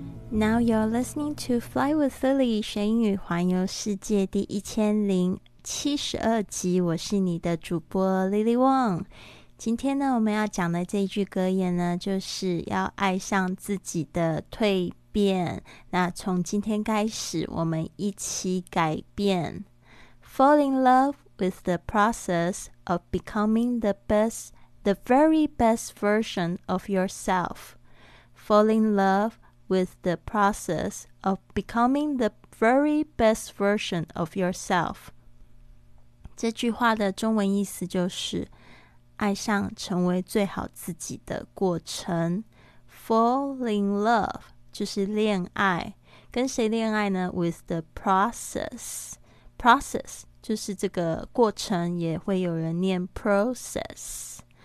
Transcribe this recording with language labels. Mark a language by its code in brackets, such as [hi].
[en] Now you're listening to [zh] Fly with Lily 学英语环游世界第1072集，我是你的主播 Lily Wong。今天呢，我们要讲的这一句格言呢，就是要爱上自己的蜕变。那从今天开始，我们一起改变。 [en] Fall in love with the process of becoming the best, the very best version of yourself. Fall in loveWith the process of becoming the very best version of yourself. [zh] 这句话的中文意思就是爱上成为最好自己的过程。 [en] Fall in love [zh] 就是恋爱，跟谁恋爱呢？ [en] With the process. [zh] Process 就是这个过程，也会有人念 process.